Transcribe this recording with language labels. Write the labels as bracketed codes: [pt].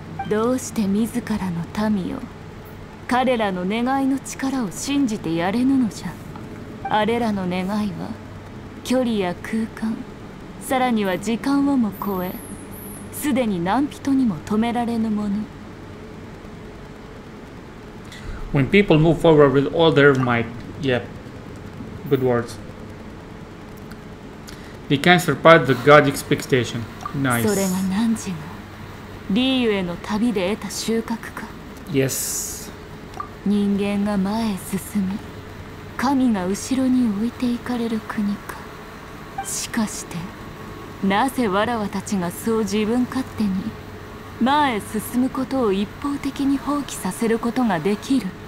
[ja] どうして自らの民を、彼らの願いの力を信じてやれぬのじゃ。あれらの願いは、距離や空間、さらには時間をも超え、すでに何人にも止められぬもの。 [en] When people move forward with all their might, yep, good words. They can surpass the god expectation. Nice. [ja] それが何時の、リーユへの旅で得た収穫か。 [en] Yes. [ja] 人間が前へ進む、神が後ろに置いていかれる国か。しかしてなぜわらわたちがそう自分勝手に前へ進むことを一方的に放棄させることができる。